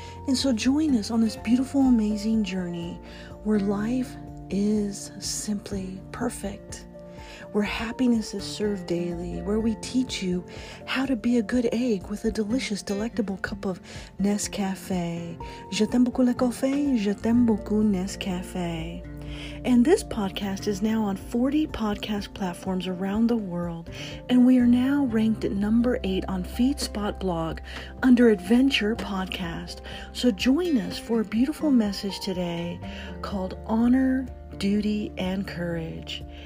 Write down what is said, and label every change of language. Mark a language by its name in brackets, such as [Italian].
[English] And so join us on this beautiful, amazing journey where life is simply perfect, where happiness is served daily, where we teach you how to be a good egg with a delicious, delectable cup of Nescafé. [French] Je t'aime beaucoup le café, je t'aime beaucoup Nescafé. [English] And this podcast is now on 40 podcast platforms around the world, and we are now ranked at number 8 on Feedspot blog under Adventure Podcast. So join us for a beautiful message today called Honor, Duty, and Courage.